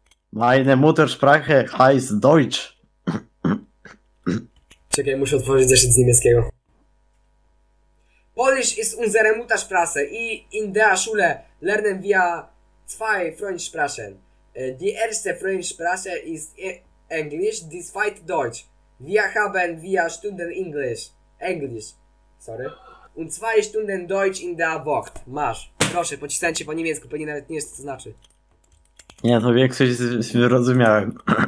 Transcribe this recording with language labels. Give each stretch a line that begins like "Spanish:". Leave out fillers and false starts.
German: Meine Muttersprache heißt Deutsch.
Polish: Czekaj, muszę otworzyć zeszyt z niemieckiego.
German: Polish ist unsere Muttersprache i in der Schule lernen wir zwei Fremdsprachen. Die erste Fremdsprache ist Englisch, die zweite Deutsch. Wir haben via Stunden Englisch. Englisch. Sorry. Und zwei Stunden Deutsch in der Woche.
Polish: Masz. Proszę, pocisnę cię po niemiecku, pewnie nawet nie wiesz, co to znaczy. Nie, to większość zrozumiałem.